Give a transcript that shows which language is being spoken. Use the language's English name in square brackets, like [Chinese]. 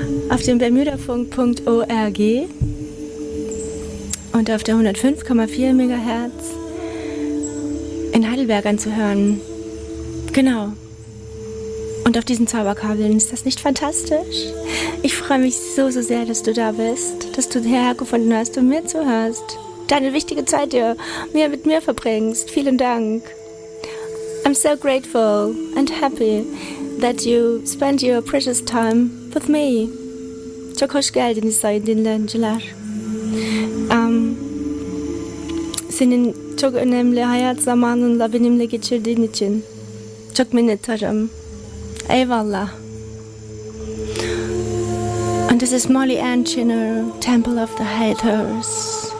[German] Auf dem bermudafunk.org und auf der 105,4 MHz in Heidelberg anzuhören. Genau. Und auf diesen Zauberkabeln, ist das nicht fantastisch? Ich freue mich so, so sehr, dass du da bist, dass du hierher gefunden hast und mir zuhörst. Deine wichtige Zeit dir mit mir verbringst. Vielen Dank. [English] I'm so grateful and happy that you spend your precious time with me. [Turkish] Çokoş geldiniz sayın dinleyiciler. Senin çok önemli hayat zamanında benimle geçirdiğin için çok minnettarım. Eyvallah. [English] And this is Molly Ann Chinner, Temple of the Haters.